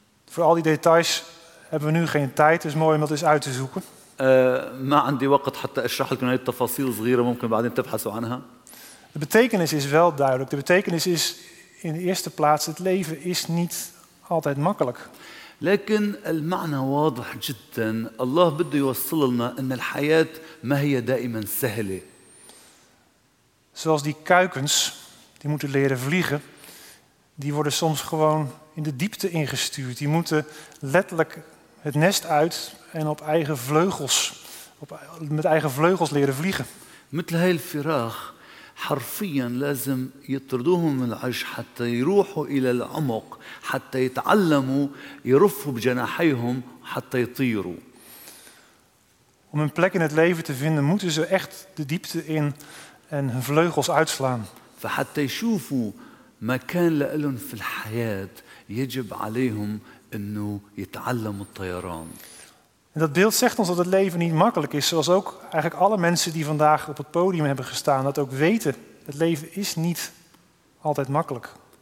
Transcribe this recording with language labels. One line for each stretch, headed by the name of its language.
Dutch: Voor al die details hebben we nu geen tijd. Het is mooi om dat eens uit te zoeken. De betekenis is wel duidelijk. De betekenis is in de eerste plaats, het leven is niet altijd makkelijk.
Arabic: لكن المعنى واضح جدا الله بده يوصل لنا ان الحياه ما هي دائما سهله
Dutch: zoals die kuikens die moeten leren vliegen die worden soms gewoon in de diepte ingestuurd die moeten letterlijk het nest uit en op eigen vleugels met eigen vleugels leren vliegen
Arabic: مثل هاي الفراخ حرفيا لازم يطردوهم من العش حتى يروحوا الى العمق حتى يتعلموا يرفعوا بجناحيهم حتى يطيروا
Dutch: om een plek in het leven te vinden moeten ze echt de diepte in en hun vleugels uitslaan
Arabic: فحتى يشوفوا مكان لهم في الحياه يجب عليهم انه يتعلموا الطيران
Dutch: En dat beeld zegt ons dat het leven niet makkelijk is, zoals ook eigenlijk alle mensen die vandaag op het podium hebben gestaan, dat ook weten. Het leven is niet altijd makkelijk.